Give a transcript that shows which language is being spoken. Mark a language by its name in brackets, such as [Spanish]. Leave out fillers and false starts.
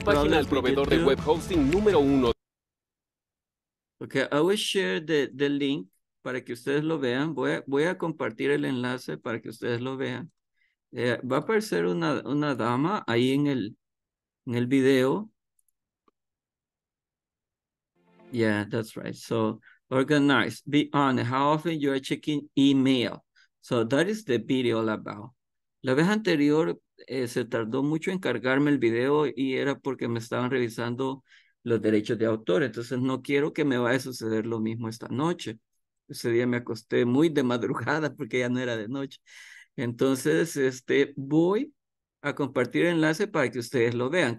[Spanish] Confía tu página al proveedor de web hosting número uno. [English] Okay, I will share the link [Spanish] para que ustedes lo vean. Voy a compartir el enlace para que ustedes lo vean. Va a aparecer una dama ahí en el video. [English] Yeah, that's right. So organize, be honest, how often you are checking email. So that is the video all about. [Spanish] La vez anterior se tardó mucho en cargarme el video y era porque me estaban revisando los derechos de autor. Entonces no quiero que me vaya a suceder lo mismo esta noche. Ese día me acosté muy de madrugada porque ya no era de noche. Entonces voy a compartir el enlace para que ustedes lo vean.